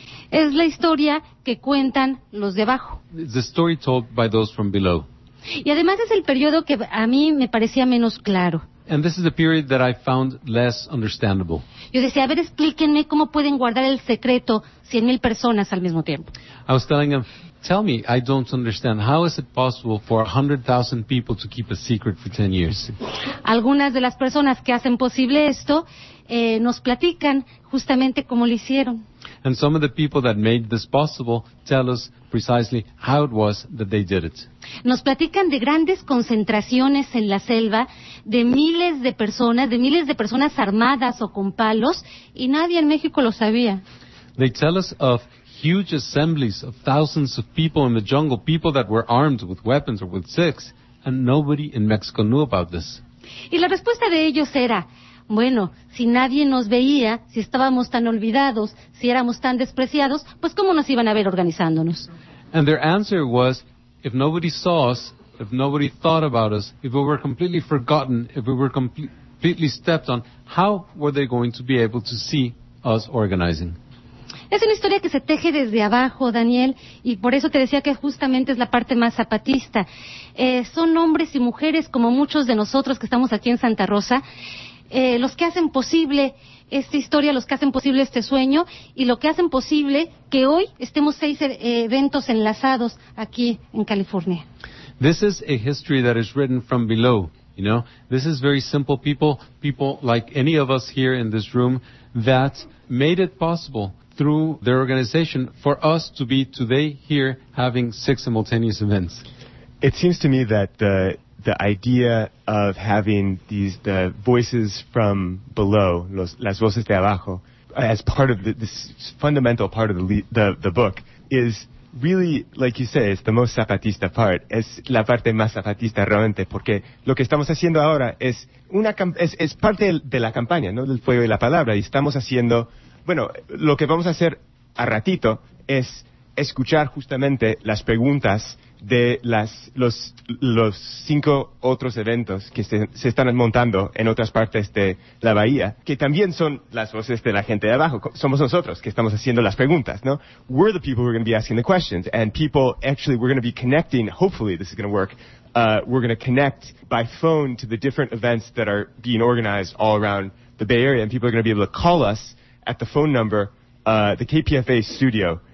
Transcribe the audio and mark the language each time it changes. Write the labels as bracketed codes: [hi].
[es] Es la historia que cuentan los de abajo. [en] It's the story told by those from below. [es] Y además es el periodo que a mí me parecía menos claro. [en] And this is the period that I found less understandable. [es] Yo decía, a ver, explíquenme cómo pueden guardar el secreto 100,000 personas al mismo tiempo. [en] I was telling them, tell me, I don't understand. How is it possible for 100,000 people to keep a secret for 10 years? [es] Algunas de las personas que hacen posible esto nos platican justamente cómo lo hicieron. [en] And some of the people that made this possible tell us precisely how it was that they did it. [es] Nos platican de grandes concentraciones en la selva, de miles de personas armadas o con palos, y nadie en México lo sabía. [en] They tell us of huge assemblies of thousands of people in the jungle, people that were armed with weapons or with sticks, and nobody in Mexico knew about this. [es] Y la respuesta de ellos era, bueno, si nadie nos veía, si estábamos tan olvidados, si éramos tan despreciados, pues ¿cómo nos iban a ver organizándonos? [en] And their answer was, if nobody saw us, if nobody thought about us, if we were completely forgotten, if we were completely stepped on, how were they going to be able to see us organizing? [es] Es una historia que se teje desde abajo, Daniel, y por eso te decía que justamente es la parte más zapatista. Son hombres y mujeres, como muchos de nosotros que estamos aquí en Santa Rosa, los que hacen posible esta historia, los que hacen posible este sueño, y lo que hacen posible que hoy estemos 6 eventos enlazados aquí en California. [en] This is a history that is written from below, you know. This is very simple people like any of us here in this room that made it possible through their organization for us to be today here having 6 simultaneous events. It seems to me that the idea of having the voices from below, [es] las voces de abajo, [en] as part of this fundamental part of the book is really, like you say, it's the most zapatista part. [es] Es la parte más zapatista realmente, porque lo que estamos haciendo ahora es parte de la campaña, ¿no? Del fuego y la palabra, y estamos haciendo, bueno, lo que vamos a hacer a ratito es escuchar justamente las preguntas de los 5 otros eventos que se están montando en otras partes de la bahía, que también son las voces de la gente de abajo. Somos nosotros que estamos haciendo las preguntas, ¿no? [en] We're the people who are going to be asking the questions, and people, actually, we're going to be connecting, hopefully this is going to work, we're going to connect by phone to the different events that are being organized all around the Bay Area, and people are going to be able to call us at the phone number, the KPFA studio.